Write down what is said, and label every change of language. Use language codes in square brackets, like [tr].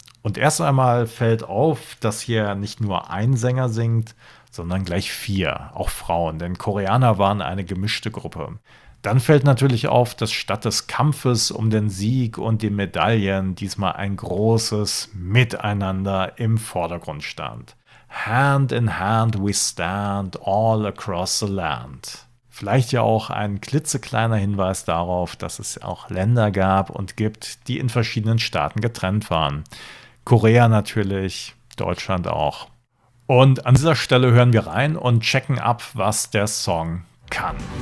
[de] Und erst einmal fällt auf, dass hier nicht nur ein Sänger singt, sondern gleich vier, auch Frauen, denn Koreaner waren eine gemischte Gruppe. Dann fällt natürlich auf, dass statt des Kampfes um den Sieg und die Medaillen diesmal ein großes Miteinander im Vordergrund stand. [en] Hand in hand we stand all across the land. [de] Vielleicht ja auch ein klitzekleiner Hinweis darauf, dass es auch Länder gab und gibt, die in verschiedenen Staaten getrennt waren. Korea natürlich, Deutschland auch. Und an dieser Stelle hören wir rein und checken ab, was der Song kann.